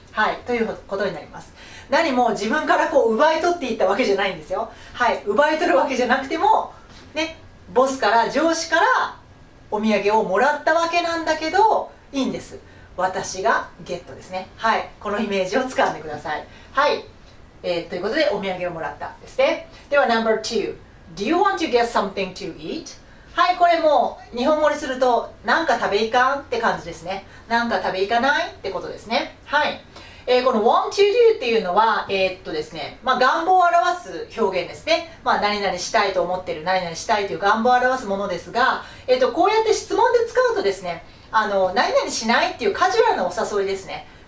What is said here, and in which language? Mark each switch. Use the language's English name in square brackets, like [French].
[Japanese] はい、ということになります。何も自分からこう奪い取っていったわけじゃないんですよ。はい、奪い取るわけじゃなくてもね、ボスから上司からお土産をもらったわけなんだけど、いいんです、私がゲットですね。はい、このイメージを掴んでください。はい、ということでお土産をもらったですね。では [English] No.2 Do you want to get something to eat? [Japanese] はい、これも日本語にすると何か食べいかんって感じですね。何か食べいかないってことですね。はい、この [English] want to do [Japanese] っていうのはですね、まあ願望を表す表現ですね。まあ何々したいと思ってる、何々したいという願望を表すものですが、こうやって質問で使うとですね、何々しないっていうカジュアルなお誘いですね。